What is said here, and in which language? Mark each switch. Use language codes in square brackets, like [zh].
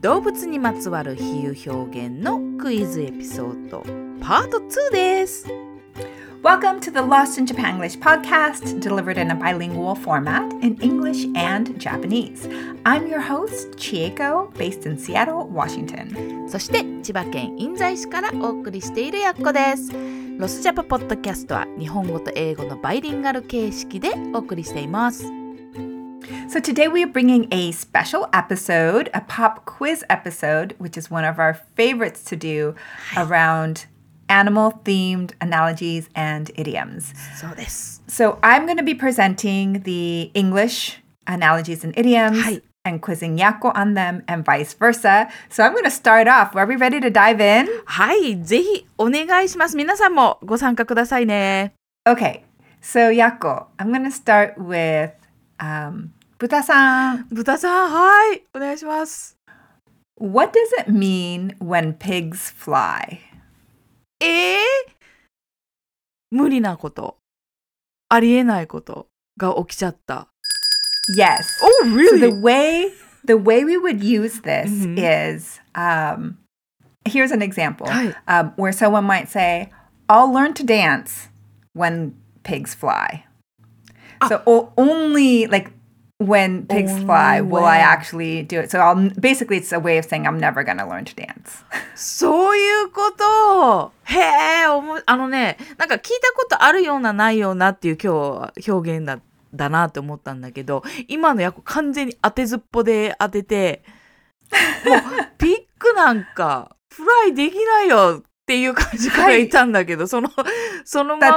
[ja] 動物にまつわる比喩表現のクイズエピソード、Part 2です。 [en] Welcome to the Lost in Japan English podcast, delivered in a bilingual format in English and Japanese. I'm your host, Chieko, based in Seattle, Washington. [ja] そして千葉県印西市からお送りしているやっこです。ロスジャパポッドキャストは日本語と英語のバイリンガル形式でお送りしています。 [en] So today we are bringing a special episode, a pop quiz episode, which is one of our favorites to do around animal-themed analogies and idioms. [ja] そうです。 [en] So I'm going to be presenting the English analogies and idioms and quizzing Yakko on them and vice versa. So I'm going to start off. Are we ready to dive in? [ja] はい、ぜひお願いします。皆さんもご参加くださいね。 [en] Okay, so Yakko, I'm going to start with... [ja] 豚さん。豚さん、はい。お願いします。 [en] What does it mean when pigs fly? [ja] 無理なこと。ありえないことが起きちゃった。 [en] Yes. Oh, really? So the way we would use this is, here's an example. [ja] はい。 [en] Where someone might say, I'll learn to dance when pigs fly. So only like when pigs fly will I actually do it. So basically it's a way of saying I'm never going to learn to dance. [ja] そういうこと。へえ、あのね、なんか聞いたことあるようなないようなっていう今日表現だなって思ったんだけど、今の役完全に当てずっぽで当てて、もうピックなんかフライできないよっていう感じからいたんだけど、そのまんま。